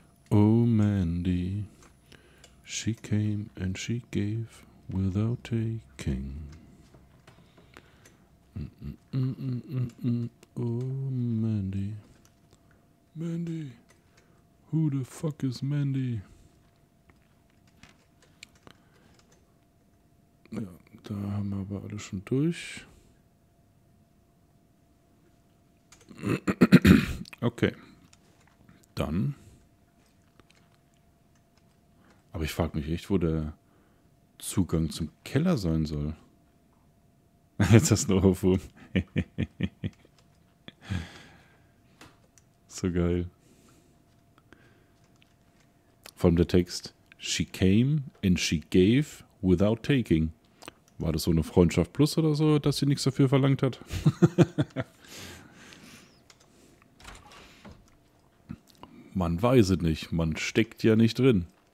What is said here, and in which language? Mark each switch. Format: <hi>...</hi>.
<en>Oh, Mandy, she came and she gave without taking. Oh, Mandy. Mandy, who the fuck is Mandy?</en> <de>Ja, da haben wir aber alle schon durch. Okay, dann. Aber ich frage mich echt, wo der Zugang zum Keller sein soll. Jetzt hast du noch auf. So geil. Vor allem der Text.</de> <en>She came and she gave without taking.</en> <de>War das so eine Freundschaft plus oder so, dass sie nichts dafür verlangt hat? Man weiß es nicht. Man steckt ja nicht drin.</de>